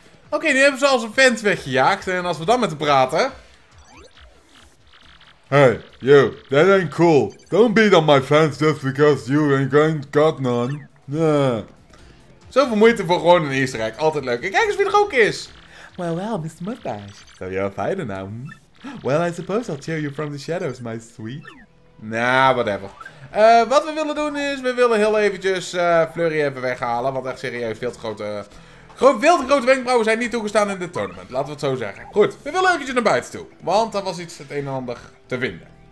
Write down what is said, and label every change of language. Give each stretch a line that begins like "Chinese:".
Dutch: Oké, nu hebben ze als een vent weggejaagd en als we dan met hem praten...
English: Hey, you, that ain't cool. Don't beat on my fans just because you ain't got none. Nah.
Dutch: Zoveel moeite voor gewoon een easter egg, altijd leuk. En kijk eens wie er ook is.
English: Well, well, Mr. Mustache. So you're a fighter now. Well, I suppose I'll cheer you from the shadows, my sweet. Nah, whatever.
Dutch: Wat we willen doen is, we willen heel eventjes Fleury even weghalen, want echt serieus, veel te grote... Veel te grote wenkbrauwen zijn niet toegestaan in dit tournament. Laten we het zo zeggen. Goed, we willen eventjes naar buiten toe. Want daar was iets het een en ander te vinden.